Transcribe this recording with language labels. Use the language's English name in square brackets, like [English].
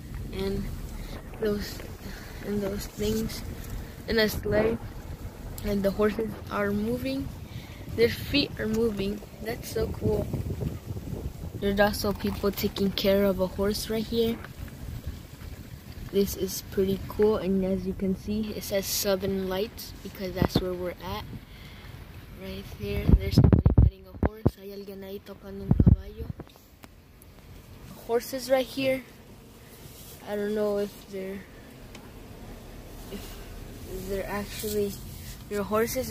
[English] en those things, in a sleigh, and the horses are moving, their feet are moving. That's so cool. There's also people taking care of a horse right here. This is pretty cool, and as you can see, it says Southern Lights because that's where we're at. Right here, there's [Spanish] hay alguien ahí tocando un caballo. [English] Horses right here. I don't know if they're actually your horses.